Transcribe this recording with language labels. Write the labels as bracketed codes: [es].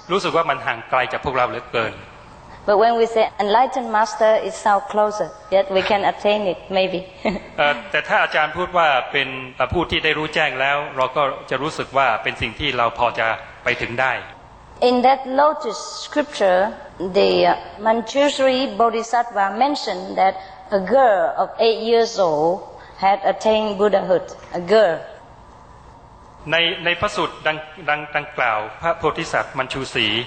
[th] รู้สึกว่ามันห่างไกลจากพวกเราเหลือเกิน [en] But when we say enlightened master it sounds closer yet we can attain it maybe [th] แต่ถ้าอาจารย์พูดว่าเป็นผู้ที่ได้รู้แจ้งแล้วเราก็จะรู้สึกว่าเป็นสิ่งที่เราพอจะไปถึงได้ [en] In that lotus scripture, the Manjushri Bodhisattva mentioned that a girl of 8 years old had attained Buddhahood. A girl. [th] ในพระสูตรดังกล่าวพระโพธิสัตว์มัญชูศรี